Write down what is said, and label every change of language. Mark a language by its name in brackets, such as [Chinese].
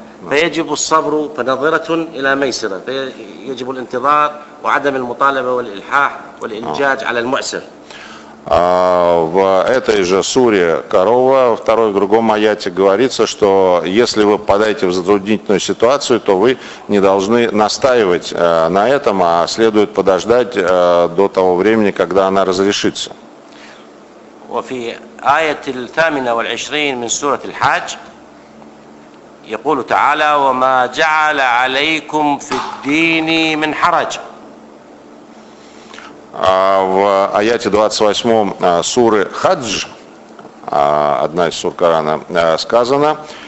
[Arabic] فيجب الصبر فنظرة إلى ميسرة فيجب الانتظار وعدم المطالبة والإلحاح والإلجاج على المعسر. [Russian] В этой же суре Корова, во второй другом аяте говорится, что если вы попадаете в затруднительную ситуацию, то вы не должны настаивать на этом, а следует подождать до того времени, когда она разрешится. [Arabic] وفي آية الثامنة والعشرين من سورة الحج يقول تعالى وما جعل عليكم في الدين من حرج. [Russian] В аяте 28 суры Хадж, одна из сур Корана, сказано: